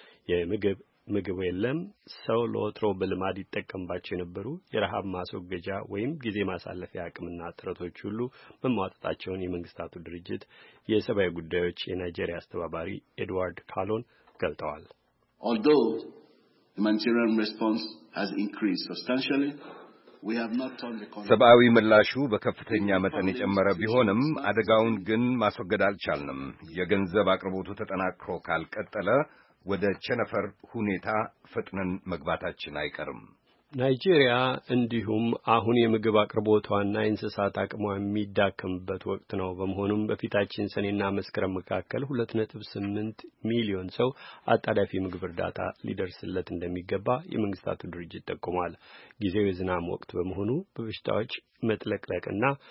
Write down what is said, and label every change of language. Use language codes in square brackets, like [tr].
[am] የምግብ የለም። ሰው ለወትሮ በልማድ ይጠቀምባቸው የነበሩ የረሃብ ማስወገጃ ወይም ጊዜ ማሳለፊያ አቅምና ጥረቶች ሁሉ መሟጠጣቸውን የመንግስታቱ ድርጅት የሰብአዊ ጉዳዮች የናይጄሪያ አስተባባሪ ኤድዋርድ ካሎን ገልጠዋል። [en] Although humanitarian response has increased substantially, we have not turned the corner. [am] ሰብአዊ ምላሹ በከፍተኛ መጠን የጨመረ ቢሆንም አደጋውን ግን ማስወገድ አልቻልንም። የገንዘብ አቅርቦቱ ተጠናክሮ ካልቀጠለ ወደ ቸነፈር ሁኔታ ፈጥነን መግባታችን አይቀርም። ናይጄሪያ እንዲሁም አሁን የምግብ አቅርቦቷና የእንስሳት አቅሟ የሚዳከምበት ወቅት ነው። በመሆኑም በፊታችን ሰኔና መስከረም መካከል 2.8 ሚሊዮን ሰው አጣዳፊ ምግብ እርዳታ ሊደርስለት እንደሚገባ የመንግስታቱ ድርጅት ጠቁሟል። ጊዜው የዝናም ወቅት በመሆኑ በበሽታዎች መጥለቅለቅና